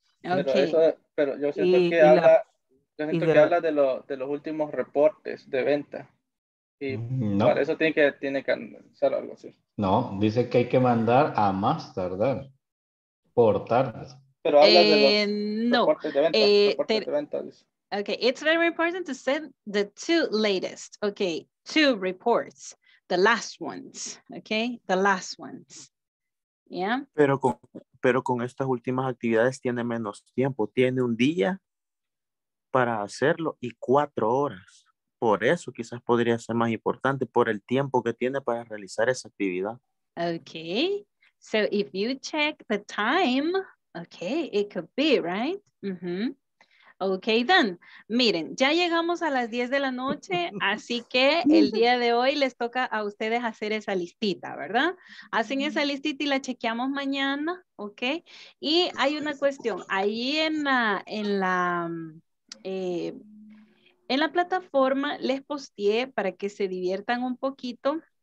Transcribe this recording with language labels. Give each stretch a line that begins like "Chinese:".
Spanish: Pero, okay. eso, pero yo siento y, que y habla, la, yo siento que la, habla de los últimos reportes de venta. Y no. Para eso tiene que hacer algo así. No, dice que hay que mandar a más tardar. Por tarde. Pero habla de los no. reportes de venta.
English: Okay, it's very important to send the two latest. Okay, two reports. The last ones. Okay, the last ones. Yeah.
Spanish: Pero con estas últimas actividades tiene menos tiempo. Tiene un día para hacerlo y 4 horas. Por eso quizás podría ser más importante, por el tiempo que tiene para realizar esa actividad. Okay.
English: So if you check the time, okay, it could be, right? Mm-hmm. Okay, then.
Spanish: Miren, ya llegamos a las 10 de la noche, así que el día de hoy les toca a ustedes hacer esa listita, ¿verdad? Hacen esa listita y la chequeamos mañana, ¿ok? Y hay una cuestión, ahí en la plataforma les posteé para que se diviertan un poquito